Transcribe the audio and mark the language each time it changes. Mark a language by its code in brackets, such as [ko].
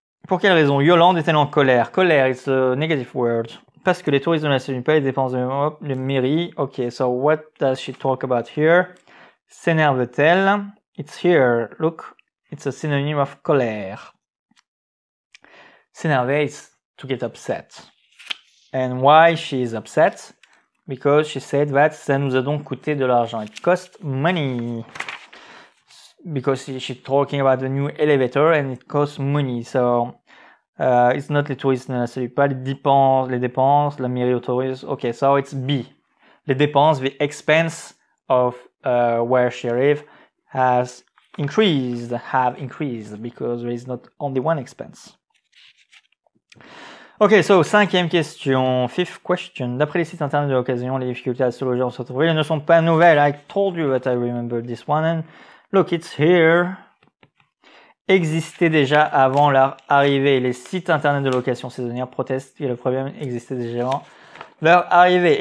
[fr] Pour quelle raison Yolande est-elle en colère? Colère, [en] it's a negative word. [fr] Parce que les touristes ne la saluent pas, les dépenses de la mairie. [en] Ok, so what does she talk about here? [fr] S'énerve-t-elle? [en] It's here, look. It's a synonym of colère. S'énerver, it's to get upset. And why she is upset? Because she said that [fr] ça nous a donc coûté de l'argent. [en] It cost money. Because she's talking about the new elevator and it costs money. So, it's not [fr] les touristes ne la saluent pas, les dépenses, la mairie autorise. [en] Okay, so it's B. [fr] Les dépenses, [en] the expense of where she lives have increased because there is not only one expense. Ok, so, [fr] cinquième question, [en] fifth question. [fr] D'après les sites internet de l'occasion, les difficultés astrologiques se trouvent, elles ne sont pas nouvelles. [en] I told you that I remember this one, and look, it's here. [fr] Existait déjà avant leur arrivée. Les sites internet de location saisonnière protestent que le problème existait déjà avant leur arrivée.